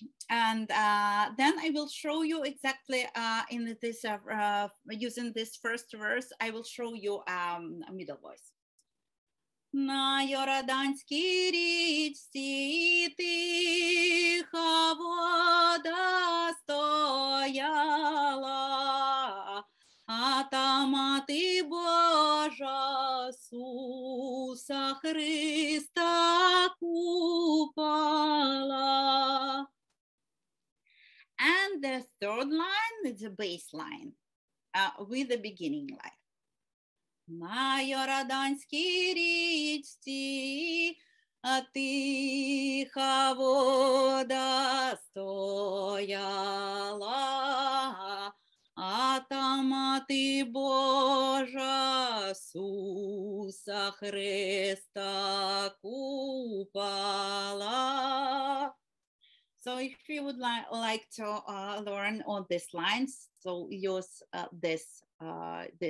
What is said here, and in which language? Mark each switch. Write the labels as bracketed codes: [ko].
[en] And then I will show you exactly in this, using this first verse, I will show you a middle voice. [uk] На Йорданській річці тиха вода стояла, а та мати Божа Суса Христа купала. [en] And the third line is a bass line with the beginning line. [uk] На Йорданській річці тиха вода стояла, а та мати Божа Суса Христа купала. [en] So if you would like to learn all these lines, so use this part.